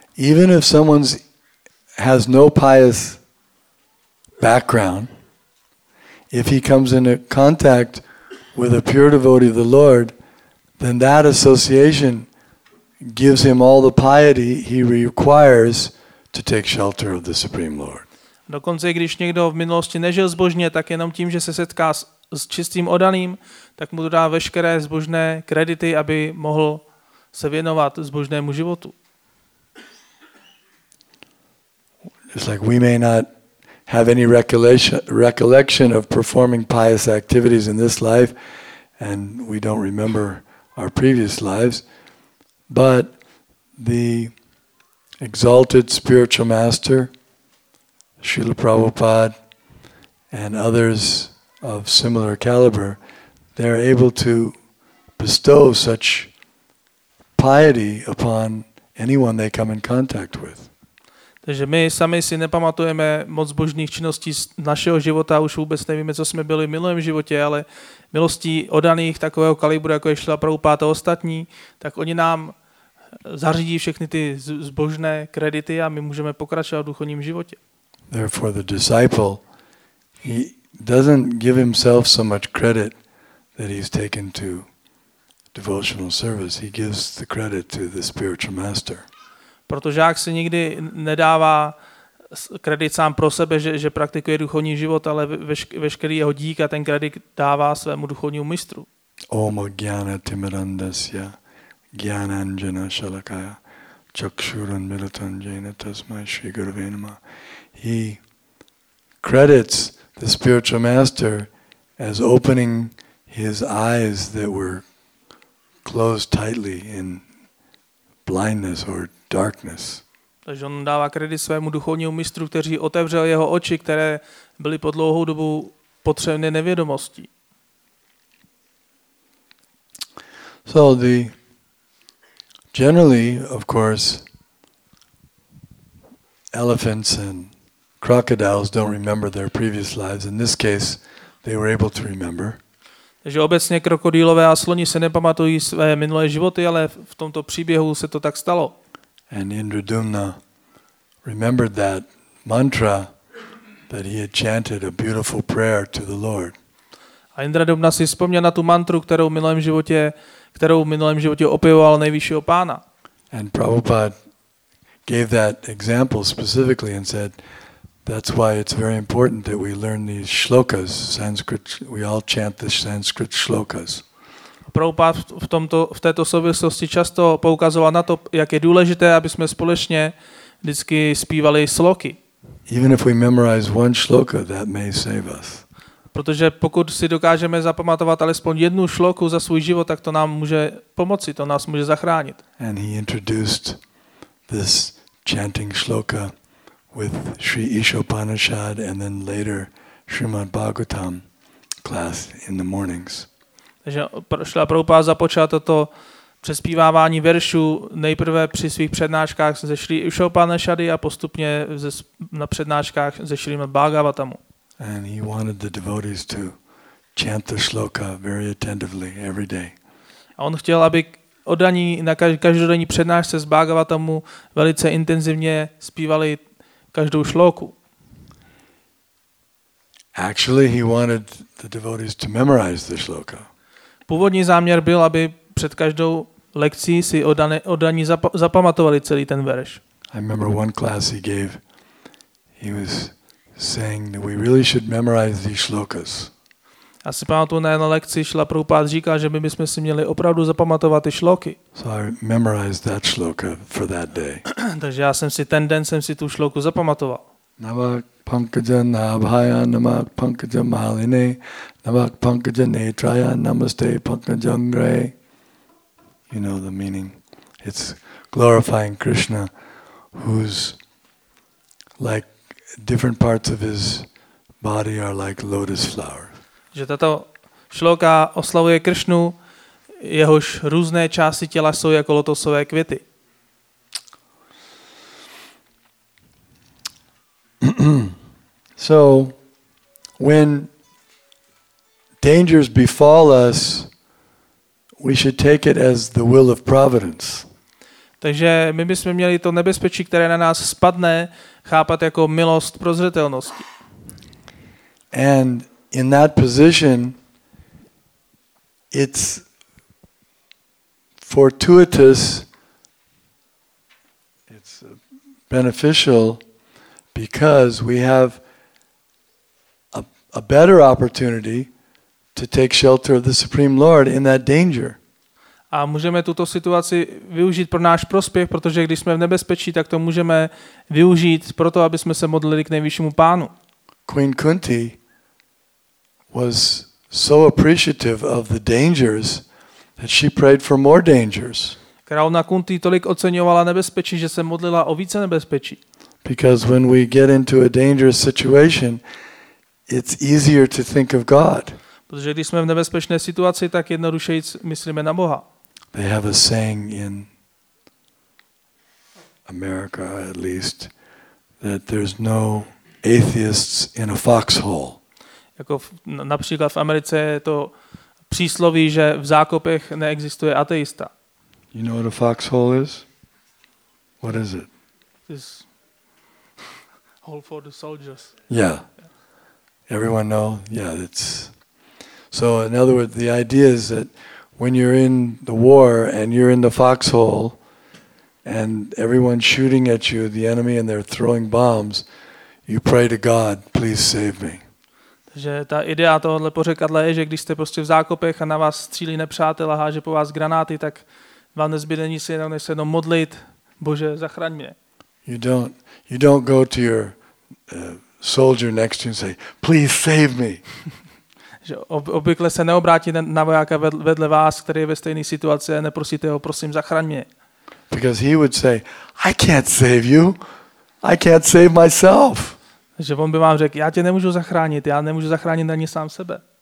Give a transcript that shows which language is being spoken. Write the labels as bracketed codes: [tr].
[en] Even if someone has no pious background, if he comes into contact with a pure devotee of the Lord, then that association gives him all the piety he requires to take shelter of the Supreme Lord. [cs] Dokonce když někdo v minulosti nežil zbožně, tak jenom tím, že se setká s čistým oddaným, tak mu dodá veškeré zbožné kredity, aby mohl se věnovat zbožnému životu. [en] It's like we may not have any recollection of performing pious activities in this life and we don't remember our previous lives. But the exalted spiritual master, Srila Prabhupada, and others of similar caliber, they're able to bestow such piety upon anyone they come in contact with. [cs] Takže my sami si nepamatujeme moc božných činností z našeho života, už vůbec nevíme, co jsme byli v minulém životě, ale milostí odaných takového kalibru, jako je Srila Prabhupada a ostatní, tak oni nám zařídí všechny ty zbožné kredity a my můžeme pokračovat v duchovním životě. [en] Therefore the disciple, he doesn't give himself so much credit that he's taken to devotional service. He gives the credit to the spiritual master. [cs] Proto žák se nikdy nedává kredit sám pro sebe, že praktikuje duchovní život, ale veškerý jeho dík a ten kredit dává svému duchovnímu mistru. [sa] Om Agyana Timirandasya Gyananjana Shalakaya Chakshuran Milatanjana Tasmai Shri Gurave Namah. [en] He credits the spiritual master as opening his eyes that were closed tightly in blindness or darkness. [cs] Takže on dává kredit svému duchovnímu mistru, který otevřel jeho oči, které byly po dlouhou dobu potřebné nevědomostí. [en] So the generally, of course, elephants and crocodiles don't remember their previous lives. In this case, they were able to remember. [cs] Takže obecně krokodýlové a sloni se nepamatují své minulé životy, ale v tomto příběhu se to tak stalo. [en] And Indradumna remembered that mantra that he had chanted, a beautiful prayer to the Lord. [cs] A Indradumna si vzpomněl na tu mantru, kterou v minulém životě opěvoval nejvyššího pána. [en] And Prabhupada gave that example specifically and said, that's why it's very important that we learn these shlokas, Sanskrit, we all chant the Sanskrit shlokas. [cs] Prabhupada v této souvislosti často poukazoval na to, jak je důležité, aby jsme společně vždycky zpívali sloky. [en] Even if we memorize one shloka, that may save us. [cs] Protože pokud si dokážeme zapamatovat alespoň jednu šloku za svůj život, tak to nám může pomoci, to nás může zachránit. [en] And he introduced this chanting shloka with Sri Isha Upanishad and then later Srimad Bhagavatam class in the mornings. [cs] Takže Šrila Prabhupada započal toto přespívávání veršů nejprve při svých přednáškách ze Sri Isha Upanishady a postupně na přednáškách ze Srimad Bhagavatamu. [en] And he wanted the devotees to chant the shloka very attentively every day. [cs] A on chtěl, aby oddaní na každodenní přednášce z Bhagavatamu velice intenzivně zpívali každou šloku. [en] Actually, he wanted the devotees to memorize the shloka. [cs] Původní záměr byl, aby před každou lekcí si oddaní zapamatovali celý ten verš. [en] I remember one class he gave. He was saying that we really should memorize these shlokas. [cs] A si pamatuju, na jedné lekci Šrila Prabhupada říkal, že my bychom si měli opravdu zapamatovat ty šloky. [en] So I memorized that shloka for that day. [cs] Takže já jsem si ten den jsem si tu šloku zapamatoval. [sa] Navak pankaja nabhaya namak pankaja malini navak pankaja netraya namaste pankaja angre. [en] You know the meaning. It's glorifying Krishna who's like different parts of his body are like lotus flower. [cs] Že tato šloka oslavuje Krishnu, jehož různé části těla jsou jako lotosové květy. [en] So when dangers befall us, we should take it as the will of providence. [cs] Takže my bychom měli to nebezpečí, které na nás spadne, chápat jako milost prozřetelnosti. [en] And in that position, it's fortuitous, it's beneficial, because we have a better opportunity to take shelter of the Supreme Lord in that danger. [cs] A můžeme tuto situaci využít pro náš prospěch, protože když jsme v nebezpečí, tak to můžeme využít proto, aby jsme se modlili k nejvyššímu pánu. [en] Queen Kunti was so appreciative of the dangers that she prayed for more dangers. [cs] Královna Kunti tolik oceňovala nebezpečí, že se modlila o více nebezpečí. [en] Because when we get into a dangerous situation, it's easier to think of God. [cs] Protože když jsme v nebezpečné situaci, tak jednoduše myslíme na Boha. [en] They have a saying in America, at least, that there's no atheists in a foxhole. [cs] Jako například v Americe je to přísloví, že v zákopech neexistuje ateista. [en] You know what a foxhole is? What is it? This hole for the soldiers. Yeah. Everyone know? Yeah, it's... So in other words, the idea is that when you're in the war and you're in the foxhole and everyone's shooting at you, the enemy, and they're throwing bombs, you pray to God, please save me. [cs] Takže ta idea tohohle pořekadla je, že když jste prostě v zákopech a na vás střílí nepřátel a háže po vás granáty, tak vám nezbyde nic jiného, než se jenom modlit, Bože, zachraň mě. [en] You don't go to your soldier next to you and say, "Please save me." [cs] Že obvykle se neobrátí na vojáka vedle vás, který je ve stejné situaci, a neprosíte ho, prosím, zachraň mě. [en] Because he would say, "I can't save you. I can't save myself." [cs] Že on by vám řekl, já tě nemůžu zachránit, já nemůžu zachránit ani sám sebe.